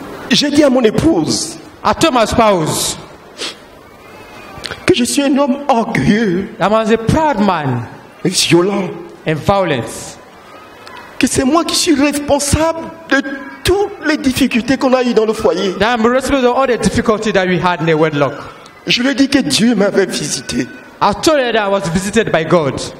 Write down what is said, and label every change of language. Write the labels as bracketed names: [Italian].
[French] Je dis à mon épouse. [English] I told my spouse. [French] Je suis un homme orgueilleux. [English] I was a proud man. [French] Violent. [English] And violent. [French] Que c'est moi qui suis responsable de toutes les difficultés qu'on a eues dans le foyer. [English] That I'm responsible of all the difficulties that we had in the wedlock. [French] Je lui ai dit que Dieu m'avait visité. [English] I told her that I was visited by God.